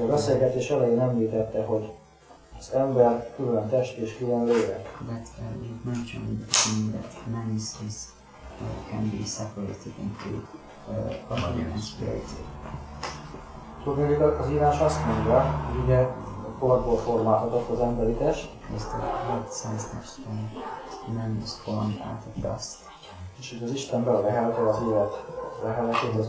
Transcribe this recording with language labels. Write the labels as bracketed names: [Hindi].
[Hungarian] a beszélgetés elején említette, hogy az ember külön test és külön lélek. [English] But you mentioned that man can be separated into body and spirit. [Hungarian] Tudod, az írás azt mondja, hogy ugye porból formálhatott az emberi test. [English] Man is formed out of dust. [Hungarian] És hogy az Isten bele lehelte az élet leheletét az